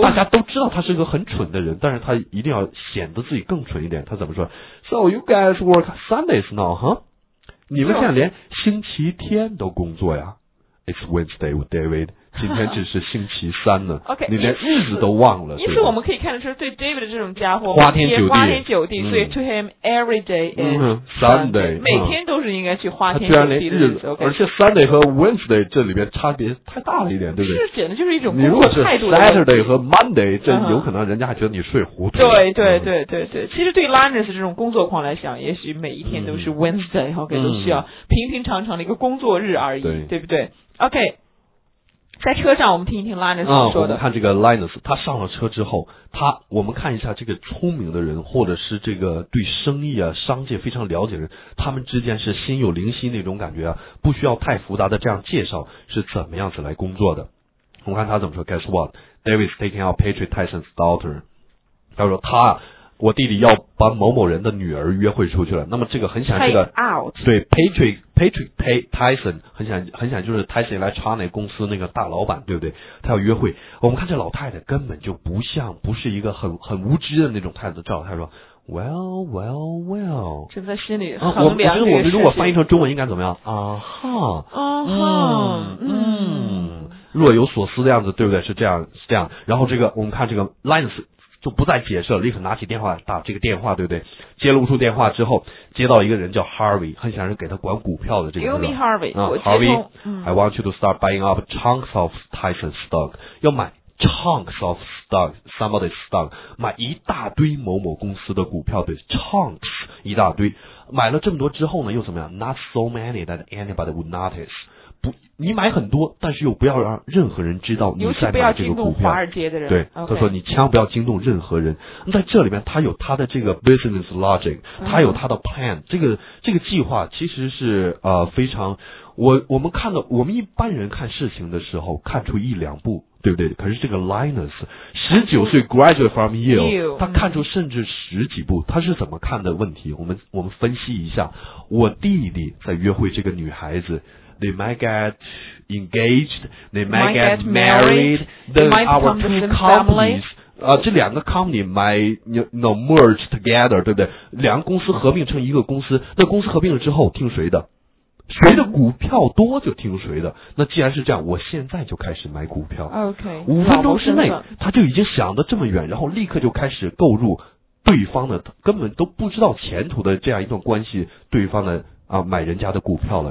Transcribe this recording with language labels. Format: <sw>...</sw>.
<zh>大家都知道他是个很蠢的人，但是他一定要显得自己更蠢一点，他怎么说</zh> <en>So you guys work Sundays now huh?</en> <zh>你们现在连星期天都工作呀。</zh> <en>It's Wednesday with David，</en> <zh>今天只是星期三呢。 OK，你连日子都忘了。因此我们可以看得出对 David 这种家伙花天酒地，花天酒地，所以</zh> <en>to him every day is Sunday，</en> <zh>每天都是应该去花天酒地。他居然连日子、okay、而且 Sunday 和 Wednesday 这里边差别太大了一点，对不对？是，简直就是一种你如果是 Saturday 和 Monday， 这有可能人家还觉得你睡糊涂。对对对对对，其实对 Linus 这种工作狂来讲，也许每一天都是 Wednesday， OK， 都需要平平常常的一个工作日而已，对，对不对？ OK，在车上我们听一听 Linus 怎么说的。我们看这个 Linus， 他上了车之后，他我们看一下这个聪明的人，或者是这个对生意啊商界非常了解的人，他们之间是心有灵犀那种感觉啊，不需要太复杂的这样介绍是怎么样子来工作的。我们看他怎么说。</zh> <en>Guess what? David's taking out Patrick Tyson's daughter.</en> <zh>他说他我弟弟要把某某人的女儿约会出去了。那么这个很显然这个</zh> <en>out.</en> <zh>对 Patrick Tyson 很显然就是 Tyson Electronic 公司那个大老板，对不对？他要约会。我们看这老太太根本就不像不是一个很无知的那种态度，赵老太太说 well 正在心里衡量、啊、我觉得我们如果翻译成中文应该怎么样啊哈啊哈若有所思的样子，对不对？是这样是这样。然后这个我们看这个 Lines就不再解释了，立刻拿起电话打这个电话，对不对？接了无数电话之后，接到一个人叫 Harvey， 很显然是给他管股票的这个人。</zh> <en>You mean Harvey？啊 ，Harvey，I want you to start buying up chunks of Tyson stock，</en> <zh>要买</zh> <en>chunks of stock， somebody stock，</en> <zh>买一大堆某某公司的股票，</zh> <en>对 ，chunks 一大堆。</en> <zh>买了这么多之后呢，又怎么样 ？</zh> <en>Not so many that anybody would notice。</en> <zh>不，你买很多，但是又不要让任何人知道你在买这个股票。尤其不要惊动华尔街的人。对、 okay. 他说你千万不要惊动任何人。在这里面他有他的这个 business logic， 他有他的 plan、嗯、这个计划其实是非常我们看到我们一般人看事情的时候看出一两步，对不对？可是这个 Linus 19岁 graduate from Yale， 他看出甚至十几步。他是怎么看的问题，我们分析一下。我弟弟在约会这个女孩子，</zh> <en>They might get engaged, they might get married, then our two companies,</en> <zh>这两个</zh> <en>company might merge together,</en> <zh>对不对？两个公司合并成一个公司，那公司合并了之后听谁的？谁的股票多就听谁的。那既然是这样，我现在就开始买股票。 Okay, 五分钟之内他就已经想得这么远，然后立刻就开始购入对方的根本都不知道前途的这样一段关系，对方的啊，买人家的股票了，</zh>